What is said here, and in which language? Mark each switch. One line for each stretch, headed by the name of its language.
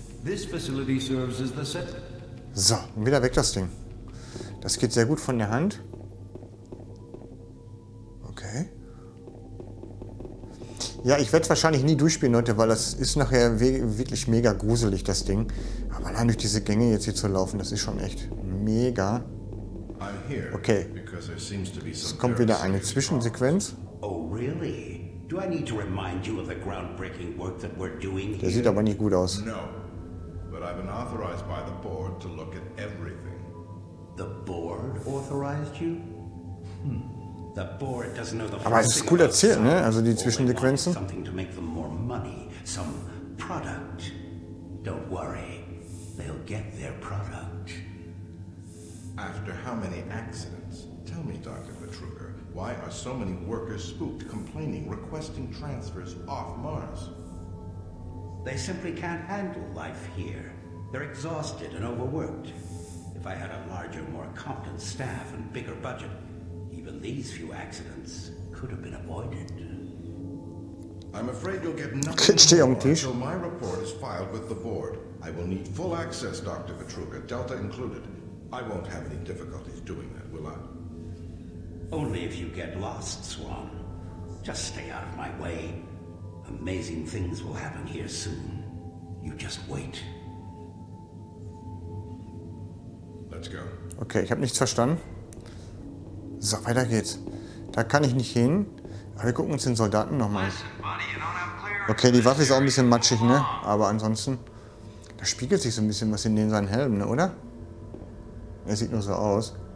English: This facility serves as the center.
German: So, wieder weg das Ding. Das geht sehr gut von der Hand. Okay. Ja, ich werde es wahrscheinlich nie durchspielen, Leute, weil das ist nachher wirklich mega gruselig, das Ding. Aber allein durch diese Gänge jetzt hier zu laufen, das ist schon echt mega. Okay. Es kommt wieder eine Zwischensequenz.
English: Oh, really? Do I need to remind you of the groundbreaking work that we're doing here?
German: Der sieht aber nicht gut aus.
English: No, but I've been authorized by the board to look at everything. The board authorized you? The board doesn't know the.
German: Aber es ist cool erzählt, ne? Also die Zwischensequenzen.
English: Something to make them more money, some product. Don't worry, they'll get their product. After how many accidents? Tell me, Dr. Betruger, why are so many workers spooked, complaining, requesting transfers off Mars? They simply can't handle life here. They're exhausted and overworked. If I had a larger, more competent staff and bigger budget, even these few accidents could have been avoided. I'm afraid you'll get nothing until my report is filed with the board. I will need full access, Dr. Betruger, Delta included. I won't have any difficulties doing that, will I? Only if you get lost, Swan. Just stay out of my way. Amazing things will happen here soon. You just wait. Let's go.
German: Okay, ich habe nichts verstanden. So, weiter geht's. Da kann ich nicht hin. Aber wir gucken uns den Soldaten nochmal an. Okay, die Waffe ist auch ein bisschen matschig, ne? Aber ansonsten, da spiegelt sich so ein bisschen was in seinen Helm, ne, oder? Er sieht nur so aus.